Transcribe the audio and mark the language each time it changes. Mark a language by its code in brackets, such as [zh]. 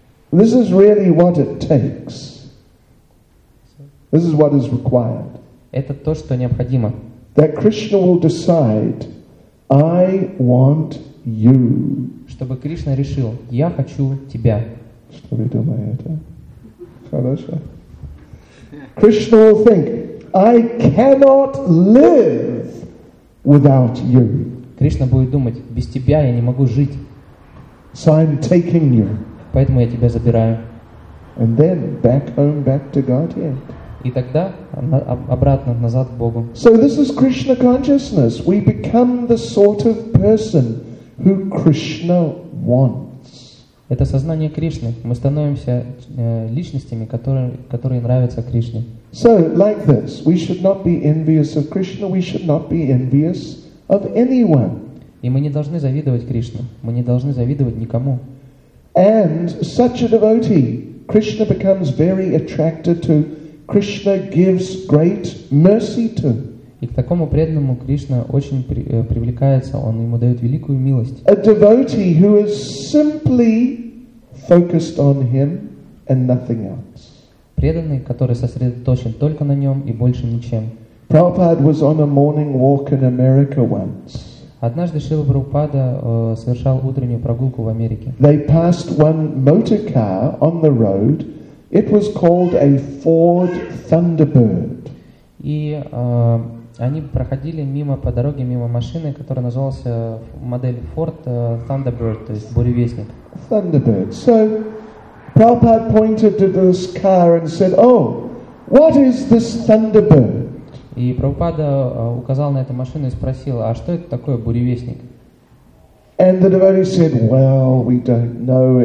[en] This is really what it takes. This is what is required. [ru] Это то, что необходимо. [en] That Krishna will decide, I want you. [ru] чтобы Кришна решил: «Я хочу тебя». Что вы думаете? Хорошо. [en] Кришна will think, I cannot live without you. [ru] Кришна будет думать: «Без тебя я не могу жить». [en] So I'm taking you. [ru] Поэтому я тебя забираю. [en] And then back home, back to Godhead. [ru] И тогда обратно, назад к Богу. [en] So this is Krishna consciousness. We become the sort of person who Krishna wants. [ru] Это сознание Кришны. Мы становимся личностями, которые нравятся Кришне. [en] So like this, we should not be envious of Krishna. We should not be envious of anyone. [ru] И мы не должны завидовать Кришне. Мы не должны завидовать никому. [en] And such a devotee, Krishna becomes very attracted to. Krishna gives great mercy to. [ru] И к такому преданному Кришна очень привлекается, он ему дает великую милость. [en] A devotee who is simply focused on him and nothing else. [ru] Преданный, который сосредоточен только на нем и больше ничем. [en] Prabhupada was on a morning walk in America once. [ru] Однажды Шрила Прабхупада совершал утреннюю прогулку в Америке. [en] They passed one motor car on the road. It was called a Ford Thunderbird. [ru] И они проходили мимо по дороге мимо машины, которая называлась модель Ford Thunderbird, то есть буревестник. [en] Thunderbird. So Prabhupada pointed to this car and said, "Oh, what is this Thunderbird?" [ru] И Прабхупада указал на эту машину и спросил: "А что это такое буревестник?" [en] And the devotee said, "Well, we don't know.